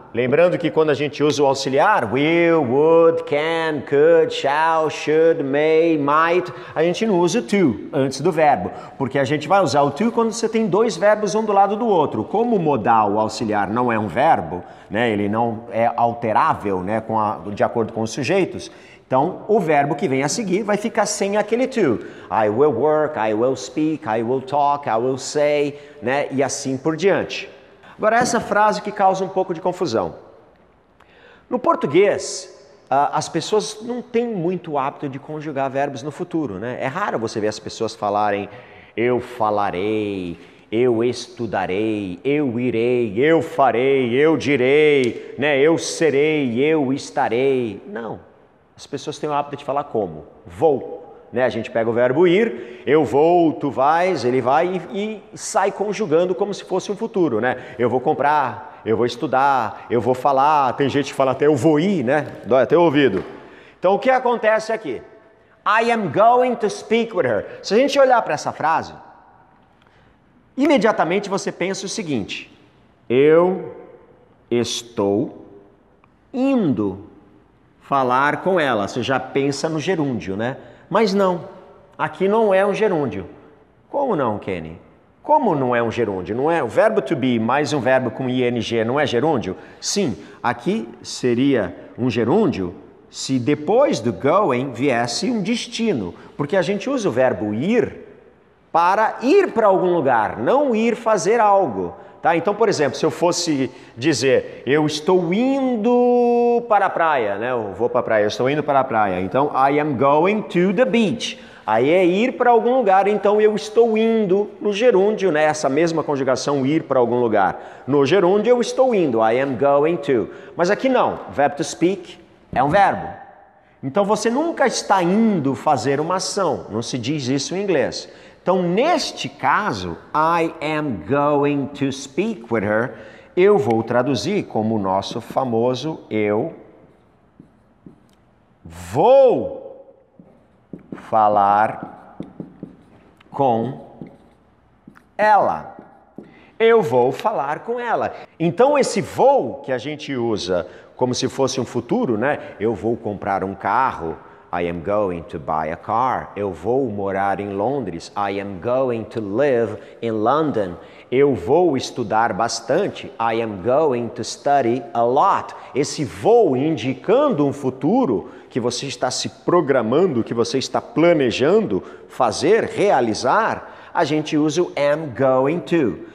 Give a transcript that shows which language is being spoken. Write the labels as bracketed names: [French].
[Portuguese] Lembrando que quando a gente usa o auxiliar, will, would, can, could, shall, should, may, might, a gente não usa o to antes do verbo, porque a gente vai usar o to quando você tem dois verbos um do lado do outro. Como o modal, o auxiliar, não é um verbo, né? Ele não é alterável, né? De acordo com os sujeitos, então o verbo que vem a seguir vai ficar sem aquele to. [English] I will work, I will speak, I will talk, I will say, [Portuguese] né? E assim por diante. Agora, essa frase que causa um pouco de confusão. No português, as pessoas não têm muito hábito de conjugar verbos no futuro, né? É raro você ver as pessoas falarem eu falarei, eu estudarei, eu irei, eu farei, eu direi, né? Eu serei, eu estarei. Não. As pessoas têm o hábito de falar como? Vou. Né? A gente pega o verbo ir, eu vou, tu vais, ele vai e sai conjugando como se fosse um futuro. Né? Eu vou comprar, eu vou estudar, eu vou falar, tem gente que fala até eu vou ir, né? Dói até o ouvido. Então o que acontece aqui? [English] I am going to speak with her. [Portuguese] Se a gente olhar para essa frase, imediatamente você pensa o seguinte, eu estou indo falar com ela. Você já pensa no gerúndio, né? Mas não, aqui não é um gerúndio. Como não, Kenny? Como não é um gerúndio? Não é o verbo to be mais um verbo com ing não é gerúndio? Sim, aqui seria um gerúndio se depois do going viesse um destino. Porque a gente usa o verbo ir para ir para algum lugar, não ir fazer algo. Tá? Então, por exemplo, se eu fosse dizer eu estou indo para a praia, né? Eu vou para a praia, eu estou indo para a praia. Então, [English] I am going to the beach. [Portuguese] Aí é ir para algum lugar, então eu estou indo no gerúndio, né? Essa mesma conjugação, ir para algum lugar. No gerúndio, eu estou indo, [English] I am going to. [Portuguese] Mas aqui não, verbo to speak é um verbo. Então, você nunca está indo fazer uma ação, não se diz isso em inglês. Então, neste caso, [English] I am going to speak with her, [Portuguese] eu vou traduzir como o nosso famoso eu vou falar com ela. Eu vou falar com ela. Então, esse vou que a gente usa como se fosse um futuro, né? Eu vou comprar um carro. [English] I am going to buy a car. [Portuguese] Eu vou morar em Londres. [English] I am going to live in London. [Portuguese] Eu vou estudar bastante. [English] I am going to study a lot. [Portuguese] Esse vou indicando um futuro que você está se programando, que você está planejando fazer, realizar, a gente usa o am going to.